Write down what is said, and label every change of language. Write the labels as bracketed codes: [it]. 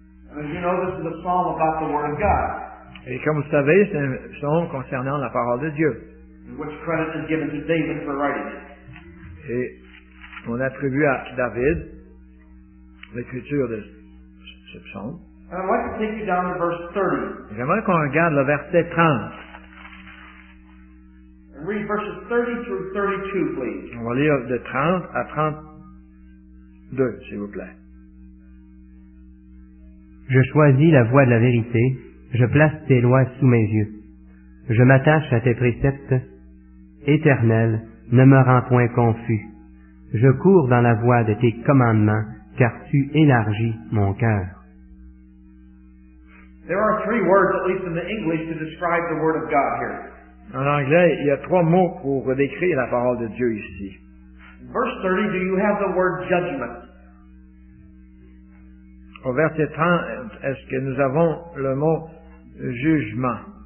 [en] As you know, this is a psalm about the Word of God. [fr] Et comme vous savez, c'est un psaume concernant la parole de Dieu. [en] And which credit is given to David for writing it? [fr] Et on attribue à David l'écriture de ce psaume. [en] And I'd like to take you down to verse 30. [fr] J'aimerais qu'on regarde le verset 30. [en] And read verses 30 through 32, please. [fr] On va lire de 30 à 32, s'il vous plaît. Je choisis la voie de la vérité, je place tes lois sous mes yeux. Je m'attache à tes préceptes. Éternel, ne me rends point confus. Je cours dans la voie de tes commandements, car tu élargis mon cœur. [en] There are three words, at least in the English, to describe the Word of God here. [fr] En anglais, il y a trois mots pour décrire la parole de Dieu ici. [en] Verse 30, do you have the word judgment? [fr] Au verset 30, est-ce que nous avons le mot jugement?